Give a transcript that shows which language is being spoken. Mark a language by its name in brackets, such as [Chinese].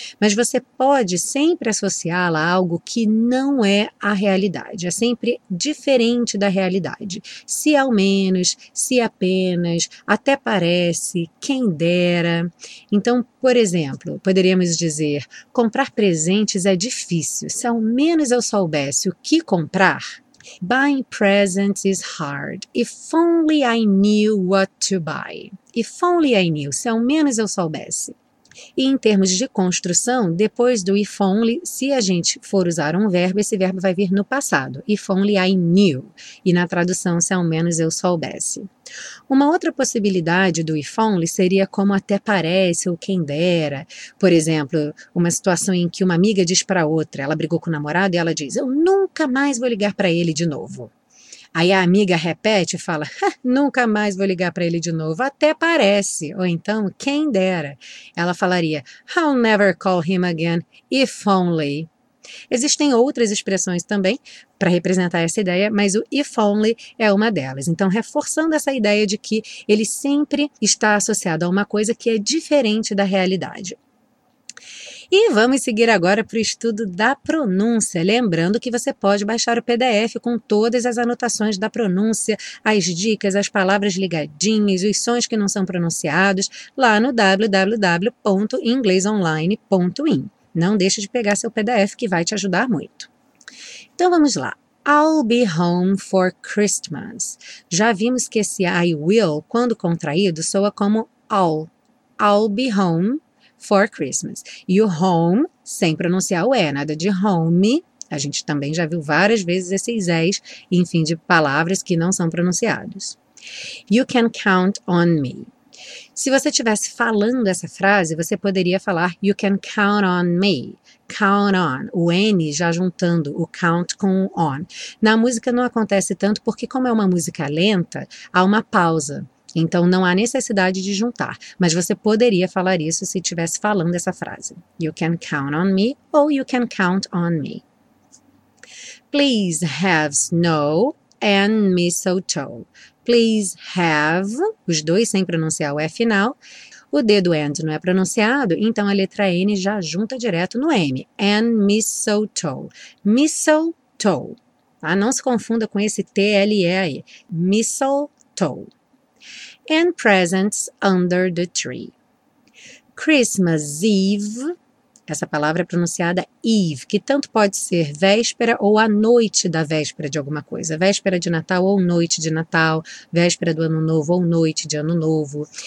[Portuguese] Mas você pode sempre associá-la a algo que não é a realidade. É sempre diferente da realidade. Se ao menos, se apenas, até parece, quem dera. Então, por exemplo, poderíamos dizer, comprar presentes é difícil. Se ao menos eu soubesse o que comprar... [English] Buying presents is hard. If only I knew what to buy. If only I knew, [Portuguese] se ao menos eu soubesse. E em termos de construção, depois do if only, se a gente for usar um verbo, esse verbo vai vir no passado. [English] If only I knew. [Portuguese] E na tradução, se ao menos eu soubesse. Uma outra possibilidade do if only seria como até parece ou quem dera. Por exemplo, uma situação em que uma amiga diz para outra, ela brigou com o namorado e ela diz, eu nunca mais vou ligar para ele de novo. Aí a amiga repete e fala, nunca mais vou ligar para ele de novo, até parece. Ou então, quem dera. Ela falaria, [English] I'll never call him again, if only. [Portuguese] Existem outras expressões também para representar essa ideia, mas o if only é uma delas. Então, reforçando essa ideia de que ele sempre está associado a uma coisa que é diferente da realidade. E vamos seguir agora para o estudo da pronúncia. Lembrando que você pode baixar o PDF com todas as anotações da pronúncia, as dicas, as palavras ligadinhas, os sons que não são pronunciados, lá no www.inglesonline.in. Não deixe de pegar seu PDF que vai te ajudar muito. Então vamos lá. [English] I'll be home for Christmas. [Portuguese] Já vimos que esse I will, quando contraído, soa como all. [English] I'll be home for Christmas. [Portuguese] E o home, sem pronunciar o E, nada de home. A gente também já viu várias vezes esses E's, enfim, de palavras que não são pronunciados. [English] You can count on me. [Portuguese] Se você estivesse falando essa frase, você poderia falar [English] you can count on me. [Portuguese] Count on, o N já juntando o count com o on. Na música não acontece tanto porque como é uma música lenta, há uma pausa. Então, não há necessidade de juntar, mas você poderia falar isso se estivesse falando essa frase. [English] You can count on me ou you can count on me. Please have snow and mistletoe. [Portuguese] Please have, os dois sem pronunciar o F final. O dedo and não é pronunciado, então a letra N já junta direto no M. [English] And mistletoe. Mistletoe. Tá? [Portuguese] Não se confunda com esse T-L-E aí. [English] Mistletoe. And presents under the tree. [Portuguese] Christmas Eve, essa palavra é pronunciada Eve, que tanto pode ser véspera ou a noite da véspera de alguma coisa. Véspera de Natal ou noite de Natal, véspera do Ano Novo ou noite de Ano Novo.